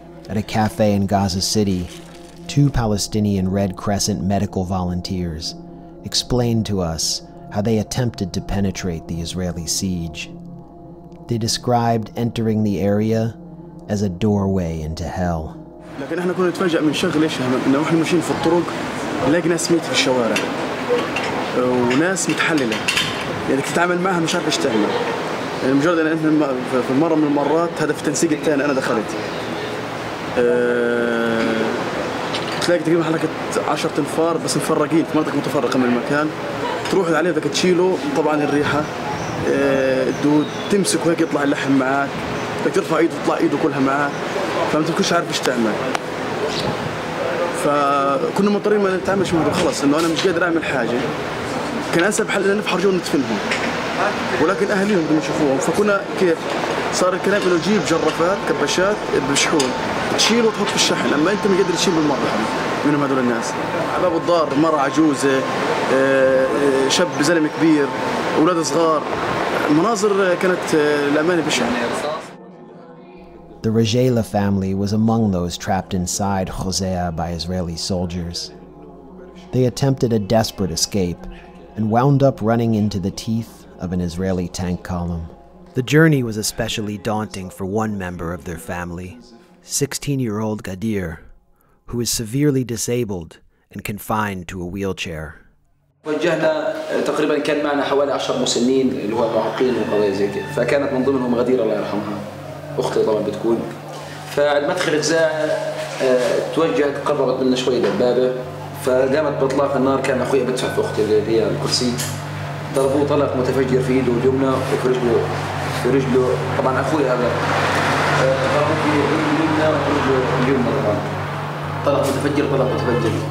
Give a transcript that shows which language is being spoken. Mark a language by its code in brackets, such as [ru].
[en] At a cafe in Gaza City, two Palestinian Red Crescent medical volunteers explained to us how they attempted to penetrate the Israeli siege. They described entering the area as a doorway into hell. [ar] لكن احنا كنا نتفاجئ من شغل ايش احنا واحنا ماشيين في الطرق لقينا ناس ميت في الشوارع وناس متحلله يعني تتعامل معها مش عارف ايش تعمل يعني مجرد ان احنا في مره من المرات هذا في التنسيق الثاني انا دخلت تلاقي تقريبا حركة 10 انفار بس مفرقين في مناطق متفرقة من المكان تروح عليه ذاك تشيله طبعا الريحة الدود تمسكه هيك يطلع اللحم معاك بدك ترفع ايده تطلع ايده كلها معاك فما تكونش عارف ايش تعمل فكنا مضطرين ما نتعاملش معهم خلص انه انا مش قادر اعمل حاجة كان انسب حل ان نبحر جوا ندفنهم ولكن اهليهم بدهم يشوفوهم فكنا كيف صار الكلام انه جيب جرافات كبشات بشحون تشيل وتحط في الشحن اما انت ما قادر تشيل بالمره منهم هذول الناس شباب الدار مره عجوزه شاب زلمه كبير اولاد صغار مناظر كانت الامانه بشعه [en] The Rajela family was among those trapped inside Hosea by Israeli soldiers. They attempted a desperate escape and wound up running into the teeth of an Israeli tank column. The journey was especially daunting for one member of their family, 16-year-old Gadir, who is severely disabled and confined to a wheelchair. [ar] وجهنا تقريبا كان معنا حوالي 10 مسنين اللي هو معاقين وقضايا زي كده فكانت من ضمنهم غدير الله يرحمها اختي طبعا بتكون فالمدخل الزاعه توجهت قربت منا شويه دبابه فقامت باطلاق النار كان اخويا بيدفع في اختي اللي هي الكرسي ضربوه طلق متفجر في ايده اليمنى وفي رجله طبعا اخوي هذا ضربوه في ايده اليمنى وفي رجله اليمنى طبعا طلق متفجر